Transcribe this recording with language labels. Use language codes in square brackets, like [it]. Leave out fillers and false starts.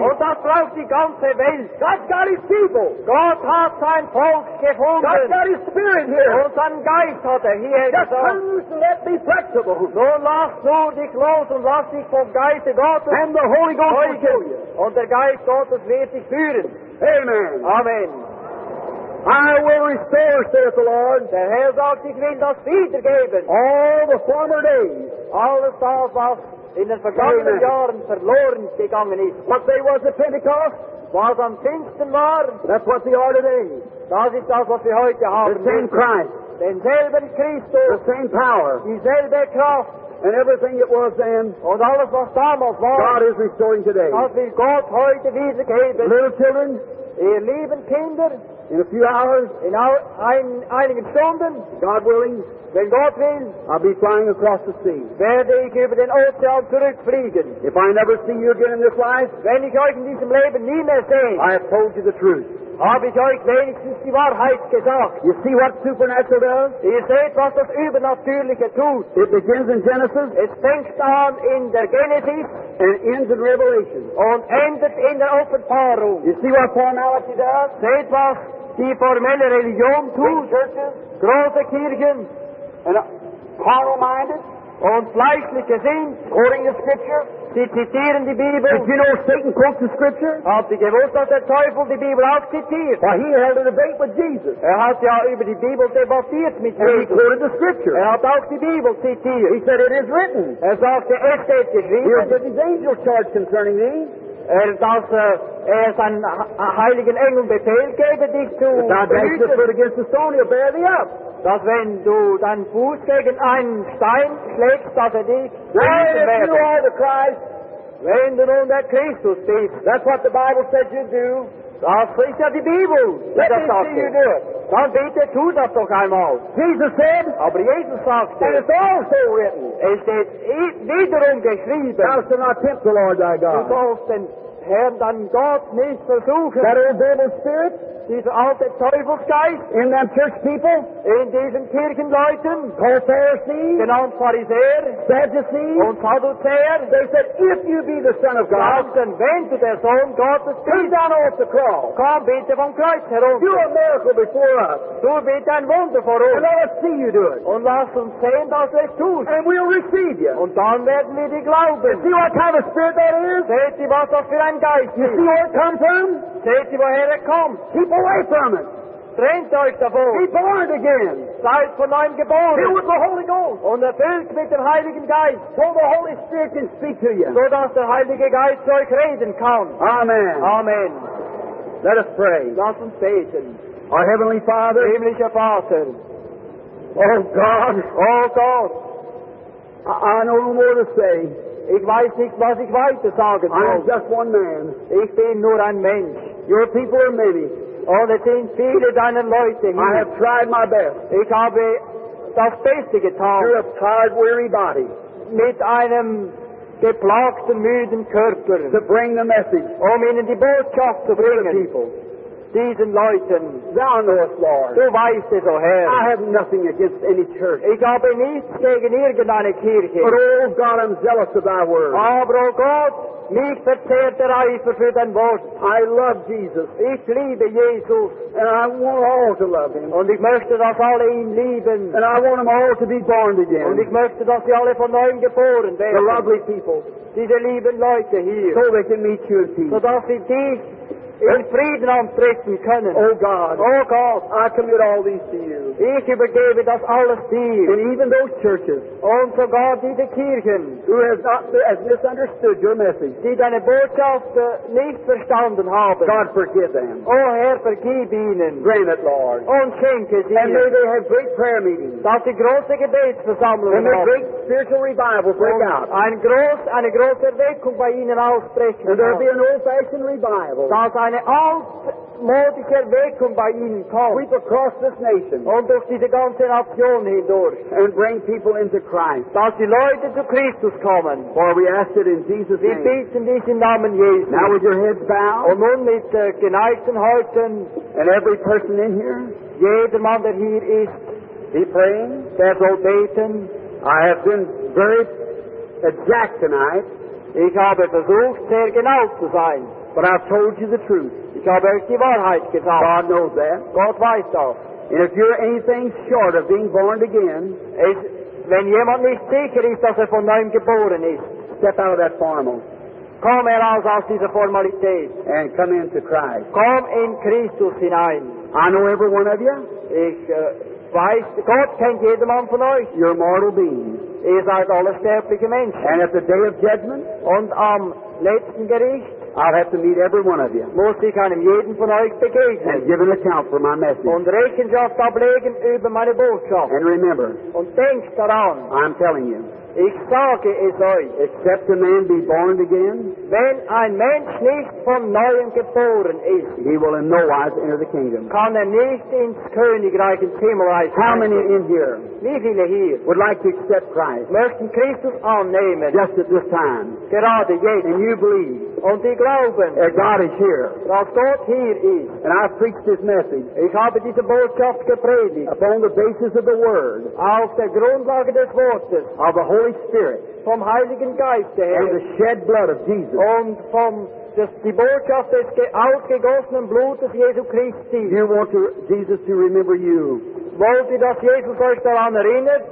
[de] Und das braucht die ganze Welt. [en] God's got his people. [de] Gott hat sein Volk gefunden. [en] God's got his spirit here. [de] Und sein Geist hat hier. [en] Just come and let me flexible. [de] So lass nur dich los und lass dich vom Geist Gottes. [en] And the Holy Ghost will kill you. [de] Und der Geist Gottes wird dich führen. [en] Amen. [de] Amen. [en] I will restore, saith the Lord, [de] der Herr sagt, ich will das wiedergeben. [en] All the former days, [de] alles das, was in den vergangenen Jahren verloren gegangen ist. [en] What they was at Pentecost, [de] was am Pfingsten war, [en] that's what they are today. [de] Das ist das, was wir heute haben. [en] The same Christ, [de] denselben Christus, [en] the same power, [de] dieselbe Kraft. [en] And everything it was then, [de] und alles, was damals war, [en] God is restoring today. [de] Das will Gott heute wiedergeben. [en] Little children, [de] ihr lieben Kinder, [en] in a few hours, [de] in einigen Stunden, [en] God willing, [de] wenn Gott will, [en] I'll be flying across the sea. [de] Werde ich über den Ozean zurückfliegen. [en] If I never see you again in this life, [de] wenn ich euch in diesem Leben nie mehr sehe, [en] I have told you the truth. [de] Habe ich euch wenigstens die Wahrheit gesagt. [en] You see what supernatural does? [de] Ihr seht, was das Übernatürliche tut. [en] It begins in Genesis. [de] Es fängt an in der Genesis. [en] And ends in Revelation. [de] Und endet in der Offenbarung. [en] You see what formality does? [de] Seht, was die formelle Religion tut. [en] Great churches. [de] Große Kirchen. [en] And carnal-minded. [de] Und fleischliche sind. [en] According to Scripture. [de] Sie zitieren die Bibel. [en] Did you know Satan quotes the Scripture? [de] Habt ihr gewusst, dass der Teufel die Bibel auch zitiert? [en] Why, he held a debate with Jesus. [de] Hat ja über die Bibel debattiert mit Jesus. [en] And he quoted the Scripture. [de] Hat auch die Bibel zitiert. [en] He said, it is written. [de] Sagte, es steht geschrieben. [en] Here's his angel charge concerning thee. [de] Dass seinen heiligen Engel Befehl gebe, dich zu behüten. Dass wenn du deinen Fuß gegen einen Stein schlägst, dass dich heilen werde. Wenn du nun der Christus bist. [en] That's what the Bible said you do. [de] Das ist ja die Bibel. [en] Let me see you do it. [de] Dann bitte tu das doch einmal. [en] Jesus said. [de] Aber Jesus sagte. [en] And it's also written. [de] Es steht wiederum geschrieben. [en] Thou shalt not tempt the Lord thy God. [de] Du sollst den Herrn deinen Gott nicht versuchen. [en] That old devil spirit. [de] Dieser alte Teufelsgeist. [en] In them church people. [de] In diesen Kirchenleuten. [en] Called Pharisees. [de] Genannt Pharisäer. [en] Sadducees. [de] Und Sadduzäer. [en] They said, if you be the Son of God. [de] Dann wenn du der Sohn Gottes bist. [en] Come down off the cross. [de] Komm bitte vom Kreuz herunter. [en] Do a miracle before us. [de] Du bitte ein Wunder vor uns. [en] And let us see you do it. [de] Und lass uns sehen, dass es tust. [en] And we'll receive you. [de] Und dann werden wir dir glauben. [en] See what kind of spirit that is? [de] Seht ihr, was das für ein Geist ist? [en] You see where it comes from? [de] Seht ihr, woher es kommt? [en] Keep away from it. [de] Trennt euch davon. [en] Be born again. [de] Seid von neuem geboren. [en] Filled with the Holy Ghost. [de] Und erfüllt mit dem Heiligen Geist. [en] So the Holy Spirit can speak to you. [de] So dass der Heilige Geist zu euch reden kann. [en] Amen. [de] Amen. [en] Let us pray. [de] Lass uns beten. [en] Our Heavenly Father. [de] Himmlischer Vater. [en] Oh God. [de] Oh God. [en] I know no more to say. [de] Ich weiß nicht, was ich weiter sagen soll. [en] I am just one man. [de] Ich bin nur ein Mensch. [en] Your people are many. Oh, the things feel it on the I have tried my best. [de] Ich habe auf Beste getan. [en] Through a tired, weary body. [de] Mit einem geplagten, müden Körper. [en] To bring the message. [de] Um ihnen die Botschaft zu bringen. [en] To the people. [de] Diesen Leuten. [en] Thou knowest, Lord. [de] Du weißt es, O Herr. [en] I have nothing against any church. [de] Ich habe nichts gegen irgendeine Kirche. [en] But, oh God, I'm zealous of thy word. [de] Aber, O Gott, mich verzehrt der Eifer für dein Wort. [en] I love Jesus. [de] Ich liebe Jesus. [en] And I want all to love him. [de] Und ich möchte, dass alle ihn lieben. [en] And I want them all to be born again. [de] Und ich möchte, dass sie alle von neuem geboren werden. [en] The lovely people. [de] Diese lieben Leute hier. [en] So they can meet you in peace. [de] So dass sie dich in Frieden antreten können. [en] Oh God. [de] Oh God. [en] I commit all these to you. [de] Ich übergebe das alles dir. [en] And even those churches. [de] Und sogar diese Kirchen. [en] Who has misunderstood your message. [de] Die deine Botschaft nicht verstanden haben. [en] God forgive them. [de] Oh Herr, vergib ihnen. [en] Grant it, Lord. [de] Und schenke sie. [en] And may they have great prayer meetings. [de] Dass sie große Gebetsversammlungen haben. [en] And a great spiritual revival break out. [de] Eine große Erweckung bei ihnen aussprechen. [en] And there'll be an old-fashioned revival. [de] Eine altmodische Erweckung bei ihnen kommt. [en] Sweep across this nation. [de] Und durch diese ganze Nation hindurch. [en] And bring people into Christ. [de] Dass die Leute zu Christus kommen. [en] For we ask it in Jesus' name. [de] Wir bitten dies im Namen Jesu. [en] Now with your heads bowed. [de] Und nun mit geneigten Häuten. [en] And every person in here. [de] Jeder Mann, der hier ist. [en] Be praying. [de] Der soll beten. [en] I have been very exact tonight. [de] Ich habe versucht, sehr genau zu sein. [en] But I've told you the truth. [de] Ich habe euch die Wahrheit gesagt. [en] God knows that. [de] Gott weiß das. [en] And if you're anything short of being born again, [de] wenn jemand nicht sicher ist, dass von neuem geboren ist, [en] step out of that formal. [de] Komm heraus aus dieser Formalität. [en] And come into Christ. [de] Komm in Christus hinein. [en] I know every one of you. [de] Ich weiß, Gott kennt jedermann von euch. [en] You're a mortal being. [de] Ihr seid alle sterbliche Menschen. [en] And at the day of judgment, [de] und am letzten Gericht, [en] I'll have to meet every one of you. [de] Muss ich einem jeden von euch begegnen. [en] And give an account for my message. [de] Und Rechenschaft ablegen über meine Botschaft. [en] And remember. [de] Und denk daran. [en] I'm telling you. [de] Ich sage es euch. [en] Except a man be born again. [de] Wenn ein Mensch nicht von neuem geboren ist. [en] He will in no wise enter the kingdom. [de] Kann nicht ins Königreich, ins Himmelreich. [en] How many in here? [de] Wie viele hier? [en] Would like to accept Christ. [de] Möchten Christus annehmen. [en] Just at this time. [de] Gerade jetzt. [en] And you believe. [de] Und die glauben. [en] That God is here. [de] Dass Gott hier ist. [en] And I preach this message. [de] Ich habe diese Botschaft gepredigt. [en] Upon the basis of the word. [de] Auf der Grundlage des Wortes. [en] Of the Holy Spirit. [de] Vom Heiligen Geist her. [en] And the shed blood of Jesus. [de] Und vom die Botschaft des ausgegossenen Blutes Jesu Christi. [en] You want to, Jesus to remember you. [de] Wollt ihr, dass Jesus euch daran erinnert?